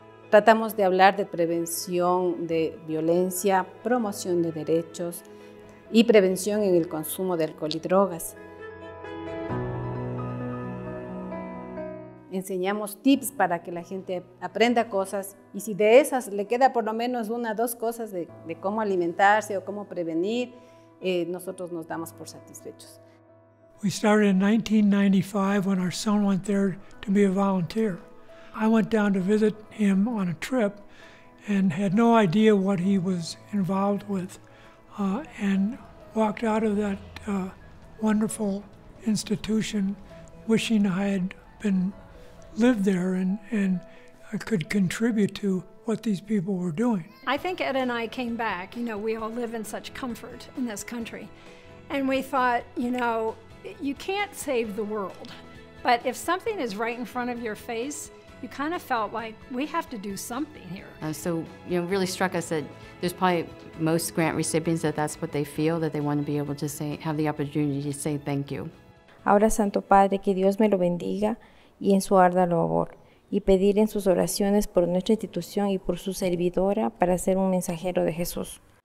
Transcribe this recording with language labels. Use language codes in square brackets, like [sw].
[es] Tratamos de hablar de prevención de violencia, promoción de derechos y prevención en el consumo de alcohol y drogas. enseñamos tips para que la gente aprenda cosas, y si de esas le queda por lo menos una o dos cosas de cómo alimentarse o cómo prevenir, nosotros nos damos por satisfechos. [en] We started in 1995 when our son went there to be a volunteer. I went down to visit him on a trip and had no idea what he was involved with, and walked out of that wonderful institution wishing I had lived there and I could contribute to what these people were doing. I think Ed and I came back, you know, we all live in such comfort in this country, and we thought, you know, you can't save the world, but if something is right in front of your face, you kind of felt like we have to do something here. So, you know, really struck us that there's probably most grant recipients that's what they feel, that they want to be able to say, have the opportunity to say thank you. [es] Ahora, Santo Padre, que Dios me lo bendiga y en su arda labor, y pedir en sus oraciones por nuestra institución y por su servidora para ser un mensajero de Jesús.